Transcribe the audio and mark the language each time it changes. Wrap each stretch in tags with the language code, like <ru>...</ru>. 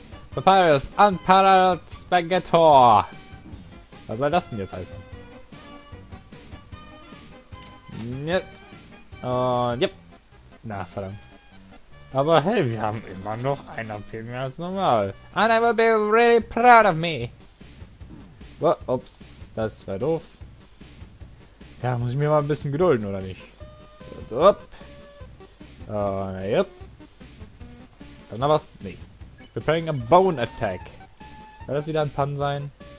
<en>Papyrus, unparalleled Spaghettor!</en> <de>Was soll das denn jetzt heißen? Yep. Und yep. Na, verdammt. Aber hey, wir haben immer noch einen AP mehr als normal.</de> <en>And I will be really proud of me!</en> <de>Well, ups, das war doof. Ja, muss ich mir mal ein bisschen gedulden, oder nicht? Up. Yep. Kann da was? Nee.</de> <en>Preparing a bone attack.</en> <de>Soll das wieder ein Pun sein?</de>